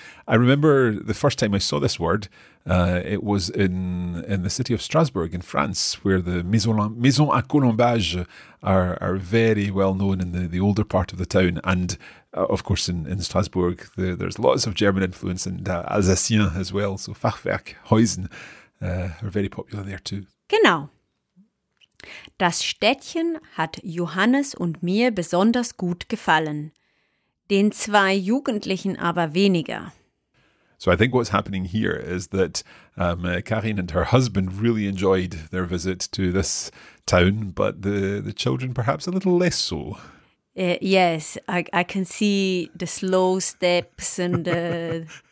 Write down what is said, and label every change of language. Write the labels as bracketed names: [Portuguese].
[English] I remember the first time I saw this word, it was in the city of Strasbourg in France, where the Maison à Colombage are very well known in the older part of the town. And of course, in Strasbourg, there's lots of German influence and Alsacien as well. So Fachwerk, Häusen are very popular there too. [German] Genau. Das Städtchen hat Johannes und mir besonders gut gefallen, den zwei Jugendlichen aber weniger. [English] So I think what's happening here is that Karin and her husband really enjoyed their visit to this town, but the children perhaps a little less so. Yes, I can see the slow steps and the...